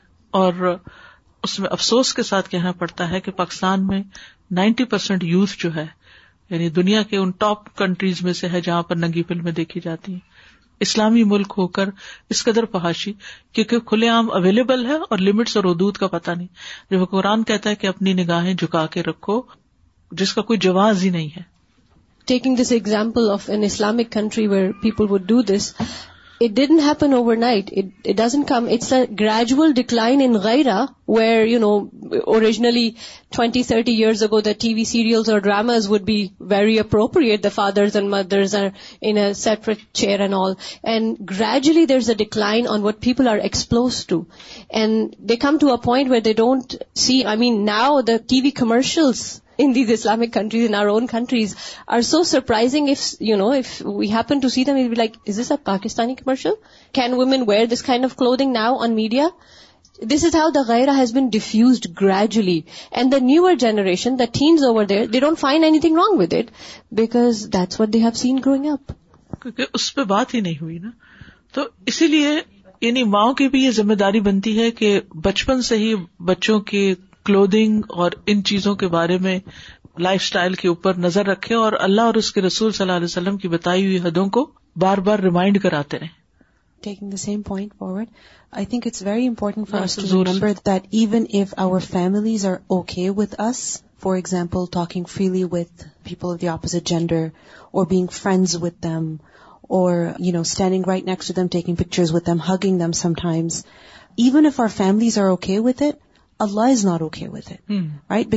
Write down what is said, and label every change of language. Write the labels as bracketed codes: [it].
[ur] اور اس میں افسوس کے ساتھ کہنا پڑتا ہے کہ پاکستان میں 90% یوتھ جو ہے, یعنی دنیا کے ان ٹاپ کنٹریز میں سے ہے جہاں پر ننگی فلمیں دیکھی جاتی ہیں. اسلامی ملک ہو کر اس قدر فحاشی, کیونکہ کھلے عام اویلیبل ہے اور لمٹس اور حدود کا پتہ نہیں. جب قرآن کہتا ہے کہ اپنی نگاہیں جھکا کے رکھو, جس کا کوئی جواز ہی نہیں ہے. [en] Taking this example of an Islamic country where people would do this, it didn't happen overnight. It doesn't come. It's a gradual decline in ghaira, where, you know, originally 20-30 years ago the TV serials or dramas would be very appropriate. The fathers and mothers are in a separate chair and all. And gradually there's a decline on what people are exposed to. And they come to a point where they don't see, I mean, now the TV commercials in these Islamic countries, in our own countries, are so surprising. If, you know, if we happen to see them, we'd be like, is this a Pakistani commercial? Can women wear this kind of clothing now on media? This is how the ghaira has been diffused gradually. And the newer generation, the teens over there, they don't find anything wrong with it because that's what they have seen growing up. Because there was no talk about it. So, that's why, [ur] yani, maaon ki bhi ye zimmedari banti hai ki bachpan se hi bachon ki clothing اور ان چیزوں کے بارے میں life style کے اوپر نظر رکھے, اور اللہ اور اس کے رسول صلی اللہ علیہ وسلم کی بتائی ہوئی حدوں کو بار بار ریمائنڈ کراتے رہیں. [en] Taking the same point forward, I think it's very important for us to remember that even if our families are okay with us, for example, talking freely with people of the opposite gender or being friends with them or, you know, standing right next to them, taking pictures with them, hugging them sometimes, even if our families are okay with it, Allah is not okay with it, right?